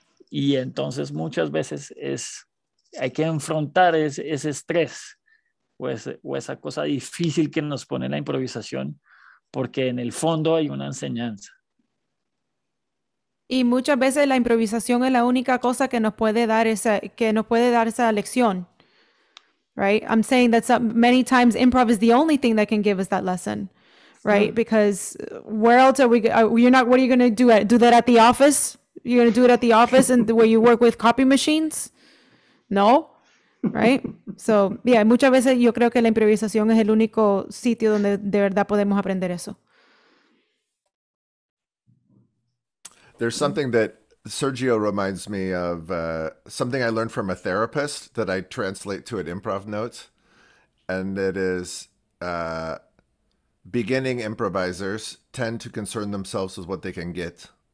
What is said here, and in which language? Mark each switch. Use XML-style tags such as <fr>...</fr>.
<es>Y entonces muchas veces hay que enfrentar ese estrés o esa cosa difícil que nos pone la improvisación, porque en el fondo hay una enseñanza. Y muchas veces la improvisación es la única cosa que nos puede dar esa lección.</es> <en>Right? I'm saying that many times improv is the only thing that can give us that lesson. Right? Yeah. Because where else what are you going to do that at the office? You're going to do it at the office and where you work with copy machines? No, right? So, yeah,</en> <es>muchas veces yo creo que la improvisación es el único sitio donde de verdad podemos aprender eso.</es> <en>There's something that Sergio reminds me of, something I learned from a therapist that I translate to an improv note. And it is beginning improvisers tend to concern themselves with what they can get.</en>